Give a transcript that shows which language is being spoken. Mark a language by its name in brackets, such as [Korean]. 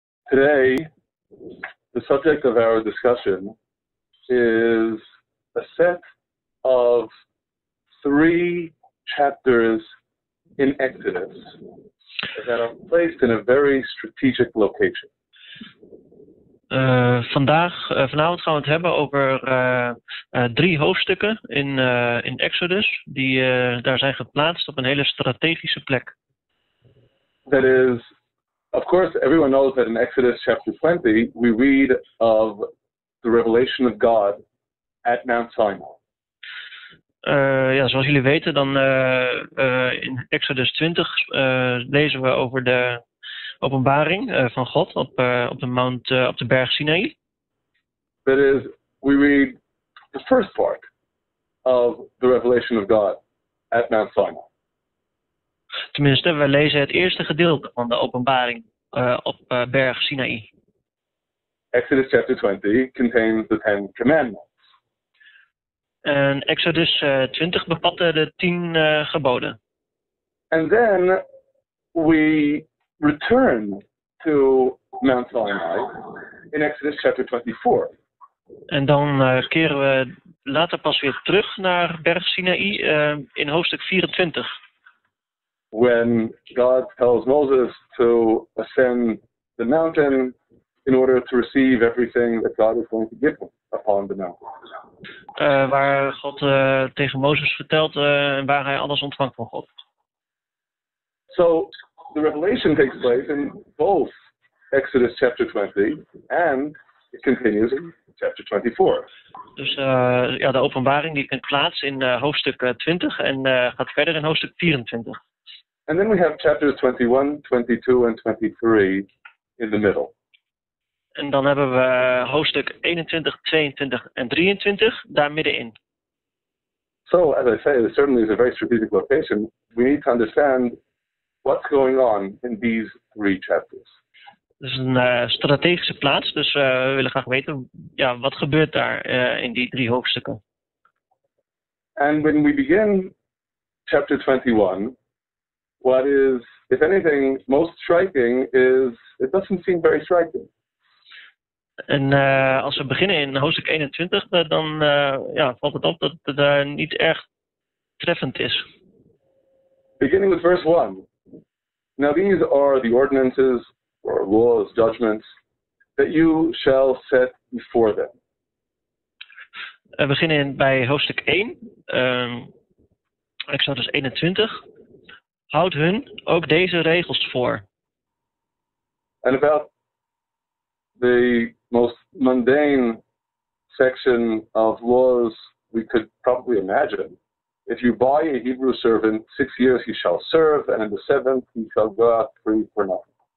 [English] Today, the subject of our discussion is a set of three chapters in Exodus that are placed in a very strategic location. [Dutch] Vanavond gaan we het hebben over drie hoofdstukken in Exodus die daar zijn geplaatst op een hele strategische plek. [English] That is, of course, everyone knows that in Exodus chapter 20 we read of the revelation of God at Mount Sinai. [Dutch] Zoals jullie weten, dan in Exodus 20 lezen we over de openbaring van God op de berg Sinai. [English] That is, we read the first part of the revelation of God at Mount Sinai. [Dutch] Tenminste, we lezen het eerste gedeelte van de openbaring op berg Sinai. [English] Exodus chapter 20 contains the Ten Commandments. [Dutch] En Exodus 20 bevatte de 10 geboden. [English] And then we return to Mount Sinai in Exodus chapter 24. [Dutch] En dan keren we later pas weer terug naar berg Sinai in hoofdstuk 24. [English] When God tells Moses to ascend the mountain in order to receive everything that God is going to give him upon the mountain. [Dutch] Waar God tegen Mozes vertelt en waar hij alles ontvangt van God. [English] So the revelation takes place in both Exodus chapter 20 and it continues in chapter 24. [Dutch] Dus de openbaring die vindt plaats in hoofdstuk 20 en gaat verder in hoofdstuk 24. [English] And then we have chapters 21, 22 and 23 in the middle. [Dutch] En dan hebben we hoofdstuk 21, 22 en 23 daar middenin. [English] So, as I say, this certainly is a very strategic location. We need to understand what's going on in these three chapters. [Dutch] Dus een strategische plaats, dus we willen graag weten wat gebeurt daar in die drie hoofdstukken. [English] And when we begin chapter 21, what is, if anything, most striking is, it doesn't seem very striking. [Dutch] En als we beginnen in hoofdstuk 21, dan valt het op dat het niet erg treffend is. [English] Beginning with verse 1. Now these are the ordinances, or laws, judgments, that you shall set before them. [Dutch] We beginnen bij hoofdstuk 1, Exodus 21. Houd hun ook deze regels voor. [English] And about the most mundane section of laws we could probably imagine. If you buy a Hebrew servant, 6 years he shall serve, and in the seventh he shall go out free for nothing.